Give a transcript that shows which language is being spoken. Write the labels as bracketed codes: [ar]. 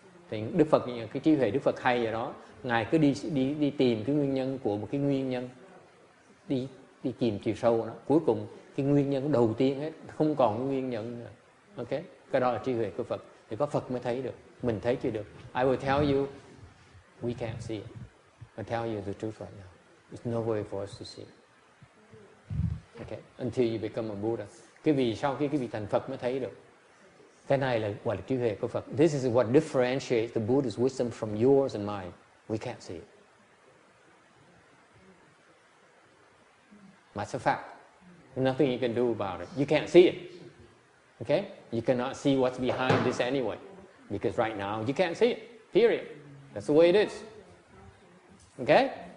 [vi] Thì Đức Phật, cái trí huệ Đức Phật hay vậy đó. Ngài cứ đi tìm cái nguyên nhân của một cái nguyên nhân. Đi tìm chiều sâu đó. Cuối cùng, cái nguyên nhân đầu tiên hết. Không còn nguyên nhân nữa. Ok? Cái đó là trí huệ của Phật. Thì có Phật mới thấy được. Mình thấy chưa được. [en] I will tell you, we can't see it. I tell you the truth right now. There's no way for us to see. Okay, until you become a Buddha. [vi] Cái vì sau khi cái vị thành Phật mới thấy được. Cái này là quả trí huệ của Phật. [en] This is what differentiates the Buddha's wisdom from yours and mine. We can't see it. That's a fact. There's nothing you can do about it. You can't see it. Okay? You cannot see what's behind this anyway. Because right now, you can't see it. Period. That's the way it is. Okay?